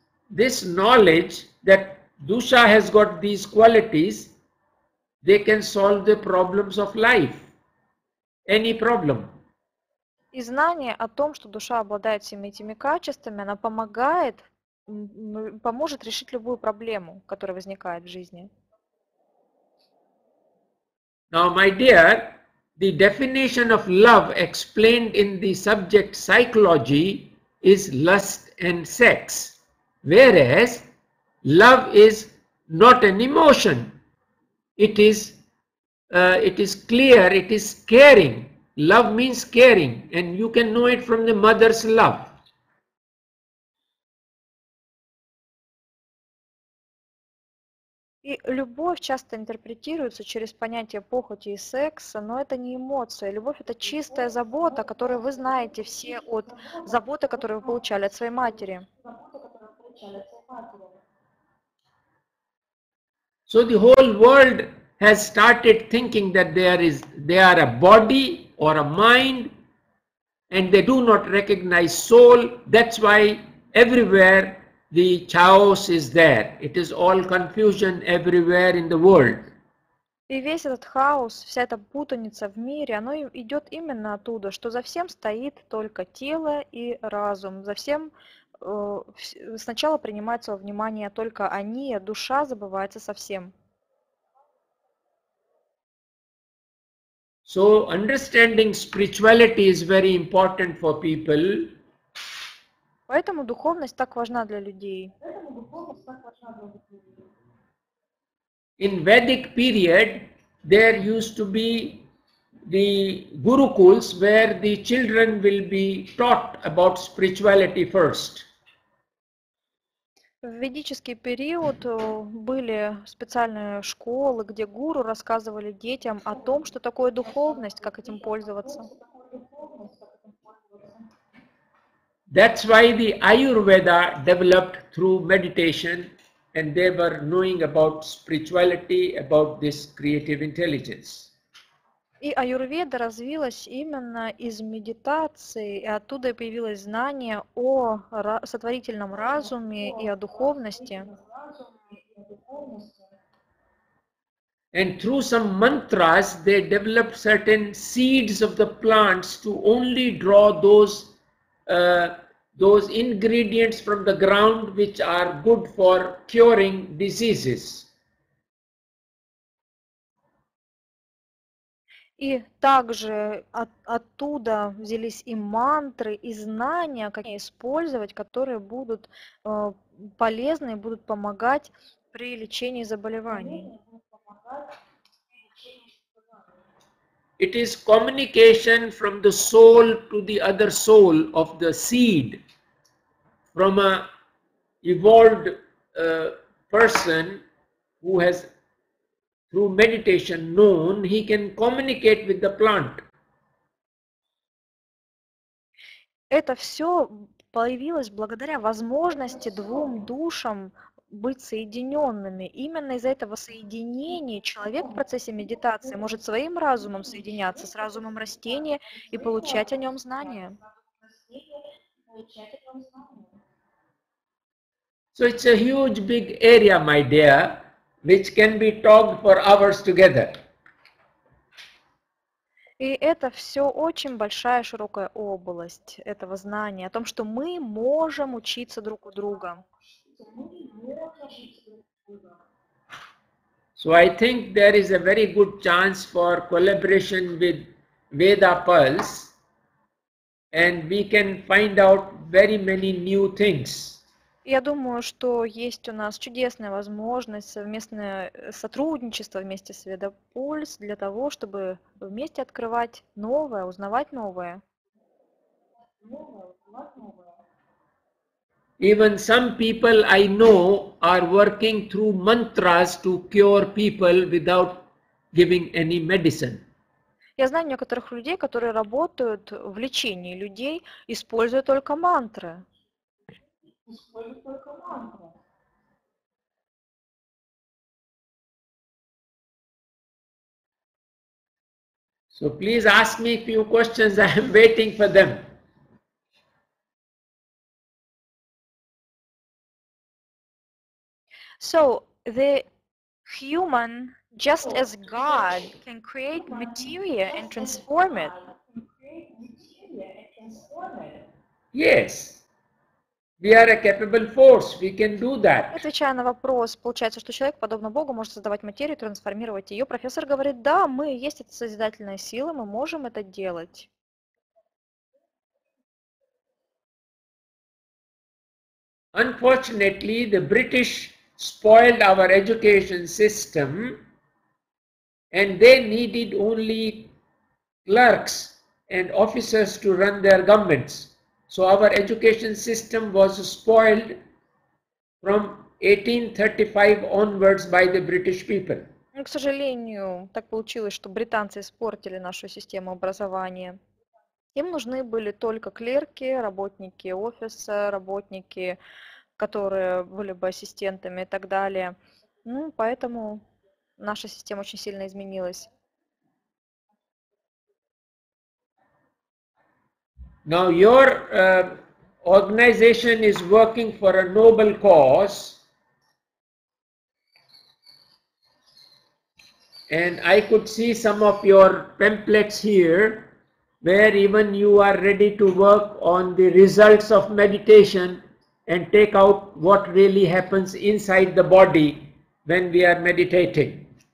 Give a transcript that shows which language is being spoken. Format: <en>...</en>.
<en>This knowledge that Dusha has got these qualities, they can solve the problems of life, any problem.</en> <ru>И знание о том, что душа обладает всеми этими качествами, она помогает, поможет решить любую проблему, которая возникает в жизни.</ru> <en>Now, my dear, the definition of love explained in the subject psychology is lust and sex, whereas love is not an emotion. It is clear, it is caring. Love means caring, and you can know it from the mother's love.</en> <ru>И любовь часто интерпретируется через понятие похоти и секса, но это не эмоция. Любовь – это чистая забота, которую вы знаете все от заботы, которую вы получали от своей матери.</ru> <en>So the whole world has started thinking that they are a body or a mind, and they do not recognize soul. That's why everywhere the chaos is there. It is all confusion everywhere in the world.</en> <ru>И весь этот хаос, вся эта путаница в мире, оно идет именно оттуда, что за всем стоит только тело и разум. За всем сначала принимается во внимание только они, а душа забывается совсем.</ru> <en>So understanding spirituality is very important for people.</en> <ru>Поэтому духовность так важна для людей.</ru> <en>In Vedic period, there used to be the gurukuls where the children will be taught about spirituality first.</en> <ru>В ведический период были специальные школы, где гуру рассказывали детям о том, что такое духовность, как этим пользоваться.</ru> <en>That's why the Ayurveda developed through meditation. And they were knowing about spirituality, about this creative intelligence.</en> <ru>И аюрведа развилась именно из медитации, и оттуда и появилось знание о сотворительном разуме и о духовности.</ru> <en>And through some mantras, they developed certain seeds of the plants to only draw those ingredients from the ground which are good for curing diseases.</en> <ru>И также оттуда взялись и мантры, и знания, как использовать, которые будут полезны, будут помогать при лечении заболеваний.</ru> <en>It is communication from the soul to the other soul of the seed. From a evolved person who has through meditation known, he can communicate with the plant.</en> <ru>Это все появилось благодаря возможности двум душам быть соединенными. Именно из-за этого соединения человек в процессе медитации может своим разумом соединяться с разумом растения и получать о нем знания.</ru> <en>So it's a huge big area, my dear, which can be talked for hours together.</en> <ru>И это все очень большая широкая область этого знания, о том, что мы можем учиться друг у друга.</ru> <en>So I think there is a very good chance for collaboration with Veda Pulse, and we can find out very many new things.</en> <ru>Я думаю, что есть у нас чудесная возможность совместное сотрудничество вместе с Ведапульс для того, чтобы вместе открывать новое, узнавать новое.</ru> <en>Even some people I know are working through mantras to cure people without giving any medicine.</en> <ru>Я знаю некоторых людей, которые работают в лечении людей, используя только мантры.</ru> <en>So please ask me a few questions. I am waiting for them. So the human, just as God, can create material and transform it. Yes. We are a capable force. We can do that.</en> <ru>Отвечая на вопрос, получается, что человек, подобно Богу, может создавать материю, трансформировать ее. Профессор говорит, да, мы есть эта созидательная сила, мы можем это делать.</ru> <en>Unfortunately, the British spoiled our education system, and they needed only clerks and officers to run their governments. So our education system was spoiled from 1835 onwards by the British people.</en> <ru>К сожалению, так получилось, что британцы испортили нашу систему образования. Им нужны были только клерки, работники офиса, работники, которые были бы ассистентами и так далее. Ну, поэтому наша система очень сильно изменилась.</ru> <en>Now your organization is working for a noble cause, and I could see some of your pamphlets here, where even you are ready to work on the results of meditation and take out what really happens inside the body when we are meditating.</en>